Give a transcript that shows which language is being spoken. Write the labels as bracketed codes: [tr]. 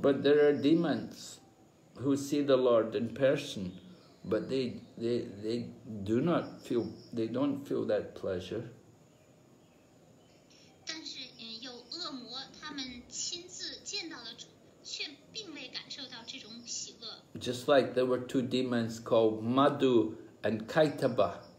[en] But there are demons who see the Lord in person. But they do not feel, they don't feel that pleasure. [zh] 但是有恶魔,他们亲自见到了主,却并未感受到这种喜乐。 [en] Just like there were two demons called Madhu and Kaitaba.